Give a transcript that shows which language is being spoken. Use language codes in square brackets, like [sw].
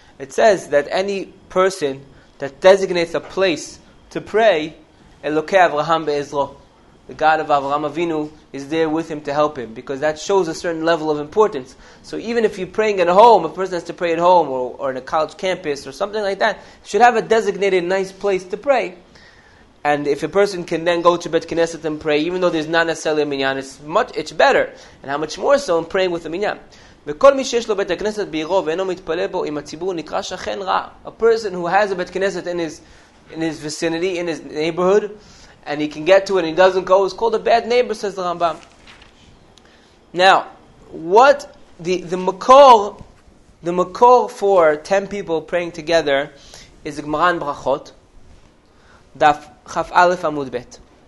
[en] It says that any person that designates a place to pray, Elokei Avraham Be'ezro, the God of Avraham Avinu is there with him to help him, because that shows a certain level of importance. So even if you're praying at home, a person has to pray at home or in a college campus or something like that, should have a designated nice place to pray. And if a person can then go to Bet Knesset and pray, even though there's not necessarily a minyan, it's better. And how much more so in praying with a minyan? [he] וכל מי שיש לו בית הכנסת בעירו ואינו מתפלל בו עם הציבור נקרא שכן רע. [en] A person who has a Bet Knesset in his vicinity, in his neighborhood, and he can get to it and he doesn't go, it's called a bad neighbor, says the Rambam. Now, what the makor for 10 people praying together is the Gemara in Brachot, Daf Chaf Aleph Amud Bet.